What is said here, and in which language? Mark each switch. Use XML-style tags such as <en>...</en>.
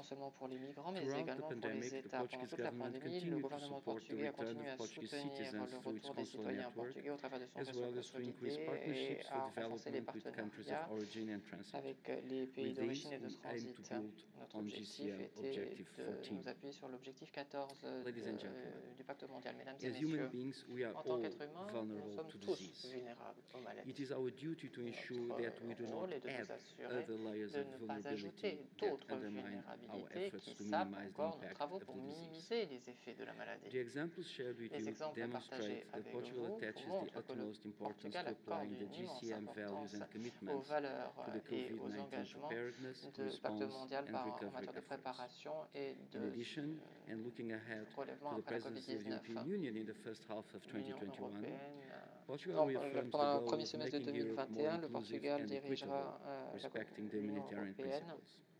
<en>Throughout the pandemic, the Portuguese government continued to support the return of Portuguese citizens to its consular network, as well as to increase partnerships for development with countries of origin and transit. With this, we aim to build on GCM Objective 14.</en> <fr>Sur l'objectif 14 du pacte mondial. Mesdames et messieurs,</fr> <en>beings,</en> <fr>en tant qu'êtres humains, nous sommes tous vulnérables aux maladies.</fr> <en>It is our duty to ensure that we do not add other layers of vulnerability that undermine our efforts to minimize the impact of the disease. The examples shared with you demonstrate that Portugal attaches the utmost importance to applying the GCM values and commitments</en> <fr>aux valeurs et aux engagements du pacte mondial en matière de préparation et de</fr> <en>and looking ahead to the presidency of the European Union in the first half of 2021, Portugal reaffirms the goal of making Europe more inclusive and equitable, respecting the humanitarian principles.</en>